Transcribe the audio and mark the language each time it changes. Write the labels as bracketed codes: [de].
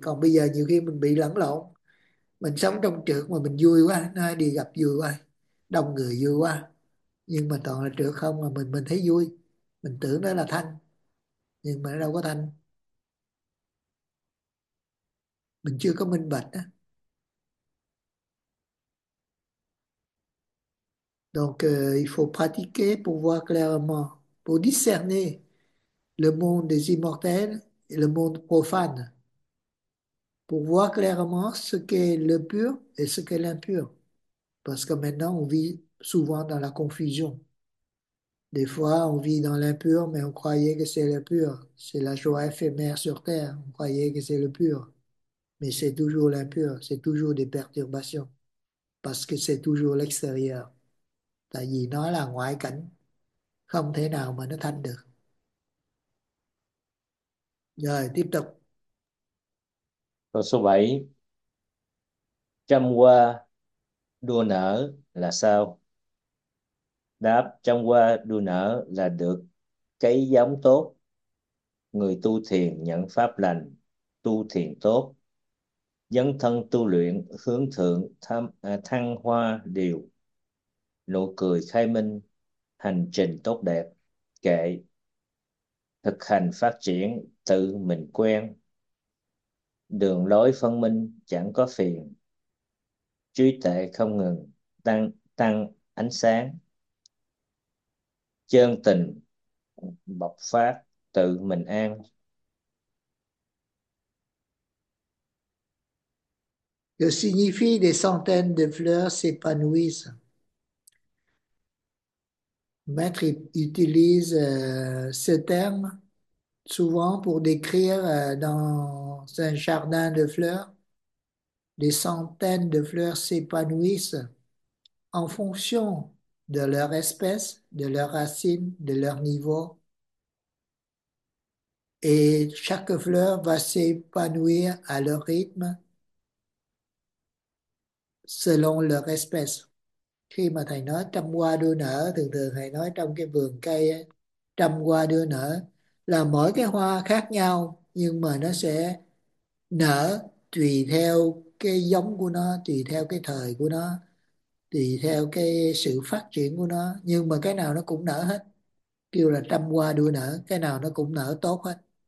[vi] Còn bây giờ nhiều khi mình bị lẫn lộn, mình sống trong trược mà mình vui quá, nó đi gặp vui quá, đông người vui quá, nhưng mà toàn là trược không, mà mình thấy vui, mình tưởng đó là thanh nhưng mà nó đâu có thanh, mình chưa có minh bạch đó. [fr] Donc, il faut pratiquer pour voir clairement, pour discerner le monde des immortels et le monde profane, pour voir clairement ce qu'est le pur et ce qu'est l'impur. Parce que maintenant, on vit souvent dans la confusion. Des fois, on vit dans l'impur, mais on croyait que c'est le pur. C'est la joie éphémère sur terre. On croyait que c'est le pur. Mais c'est toujours l'impur, c'est toujours des perturbations, parce que c'est toujours l'extérieur. [vi] Tại vì nó là ngoại cảnh, không thể nào mà nó thanh được. Rồi, tiếp tục. Câu số 7. Trăm hoa đua nở là sao? Đáp: trăm hoa đua nở là được cái giống tốt. Người tu thiền nhận pháp lành, tu thiền tốt. Dấn thân tu luyện hướng thượng thăng hoa điều. Nụ cười khai minh, hành trình tốt đẹp, kệ. Thực hành phát triển, tự mình quen. Đường lối phân minh chẳng có phiền, trí tuệ không ngừng tăng tăng ánh sáng, chân tình bộc phát tự mình an. [fr] Que signifie des centaines de fleurs s'épanouissent? Maître utilise ce terme souvent pour décrire dans un jardin de fleurs, des centaines de fleurs s'épanouissent en fonction de leur espèce, de leurs racines, de leur niveau. Et chaque fleur va s'épanouir à leur rythme, selon leur espèce. [vi] Khi mà thầy nói trăm hoa đua nở, thường thường thầy nói trong cái vườn cây trăm hoa đua nở là mỗi cái hoa khác nhau, nhưng mà nó sẽ nở tùy theo cái giống của nó, tùy theo cái thời của nó, tùy theo cái sự phát triển của nó, nhưng mà cái nào nó cũng nở hết, kêu là trăm hoa đua nở, cái nào nó cũng nở tốt hết.